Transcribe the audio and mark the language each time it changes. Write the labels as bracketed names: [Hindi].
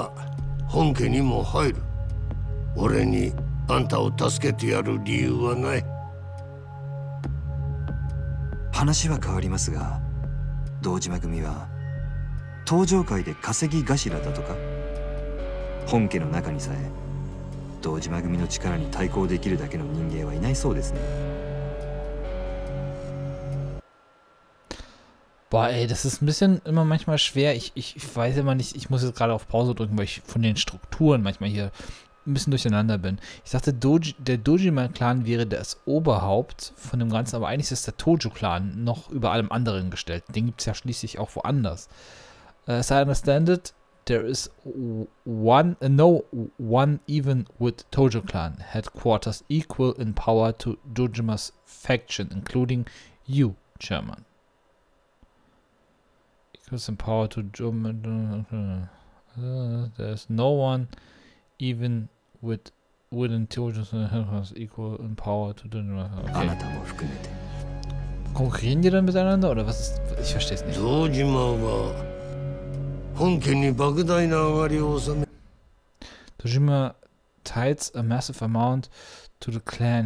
[Japanese] 私を捕まえるためです。私は殻の一坪を手に入れるのに必要な情報を持っています。殻の一坪か。なるほど。堂島はあの土地をよその人間に取られるわけにはいかねえだろうからな。だけど当然その上がりは本家にも入る。俺に [German] Boah, ey, das ist ein bisschen immer manchmal schwer. Ich weiß immer nicht, ich muss jetzt gerade auf Pause drücken, weil ich von den Strukturen manchmal hier ein bisschen durcheinander bin. Ich dachte, der Dojima-Clan wäre das Oberhaupt von dem Ganzen, aber eigentlich ist der Tojo-Clan noch über allem anderen gestellt. Den gibt es ja schließlich auch woanders. [English] As I understand it, there is no one even with Tojo-Clan headquarters equal in power to Dojima's faction, including you, Chairman. Equals in power to Dojima. There is no one even with intelligence and headquarters equal in power to Dojima tithes a massive amount to the clan.